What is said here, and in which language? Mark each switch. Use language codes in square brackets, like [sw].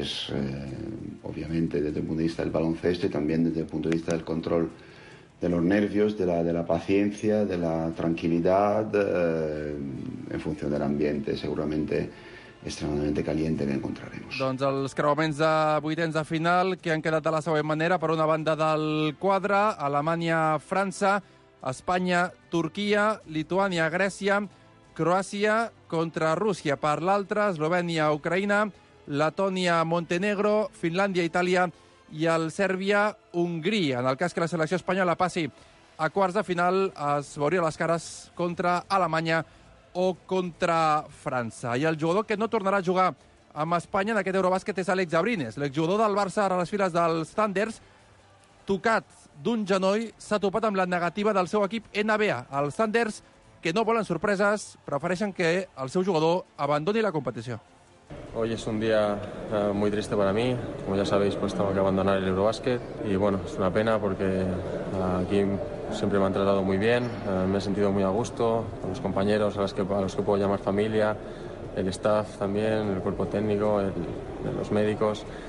[es] Es, obviamente, desde el punto de vista del baloncesto y también desde el punto de vista del control de los nervios, de la paciencia, de la tranquilidad, en función del ambiente, seguramente extremadamente caliente que encontraremos. [ca] Doncs els creuaments de vuitens de final que han quedat de la següent manera. Per una banda del quadre, Alemanya-França, Espanya-Turquia, Lituània-Grècia, Croàcia contra Rússia. Per l'altra, Eslovènia-Ucraïna, Letònia-Montenegro, Finlàndia-Itàlia i el Sèrbia-Hongria. En el cas que la selecció espanyola passi a quarts de final, es veuria les cares contra Alemanya o contra França. I el jugador que no tornarà a jugar amb Espanya en aquest Eurobàsquet és Àlex Abrines, l'exjugador del Barça a les files dels Thunders, tocat d'un genoll, s'ha topat amb la negativa del seu equip NBA. Els Thunders, que no volen sorpreses, prefereixen que el seu jugador abandoni la competició. [es] Hoy es un día muy triste para mí, como ya sabéis, pues tengo que abandonar el Eurobásquet y bueno, es una pena porque aquí siempre me han tratado muy bien, me he sentido muy a gusto con los compañeros a los que puedo llamar familia, el staff también, el cuerpo técnico, los médicos.